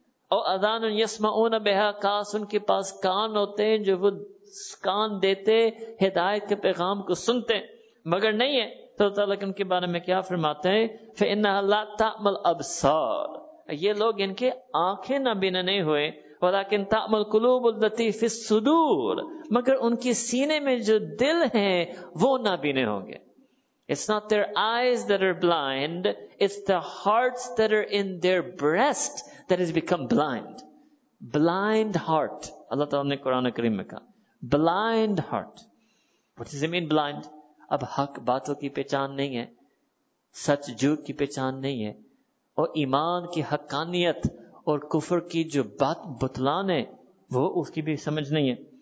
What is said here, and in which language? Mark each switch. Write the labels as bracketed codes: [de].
[ar] اذان یسمعون بہا, [ur] کاش ان کے پاس کان ہوتے ہیں جو وہ کان دیتے ہدایت کے پیغام کو سنتے, مگر نہیں ہے. تو تعالیٰ ان کے بارے میں کیا فرماتے ہیں, [ar] فَإِنَّهَا لَا تَعْمَلْ أَبْصَارُ, [ur] یہ لوگ ان کے آنکھیں نہ بینا نہیں ہوئے, [ar] وَلَكِنْ تَعْمَ الْقُلُوبُ الَّتِي فِي الصُّدُورِ [ur] مگر ان کی سینے میں جو دل ہیں وہ نابینے ہوں گے. [en] It's not their eyes that are blind, it's the hearts that are in their breast that has become blind. Blind heart. [ur] Allah Ta'ala نے قرآن کریم میں کہا. [en] Blind heart. What does it mean blind? [ur] اب حق باتوں کی پہچان نہیں ہے, سچ جھوٹ کی پہچان نہیں ہے, اور ایمان کی حقانیت اور کفر کی جو بات بتلان ہے وہ اس کی بھی سمجھ نہیں ہے.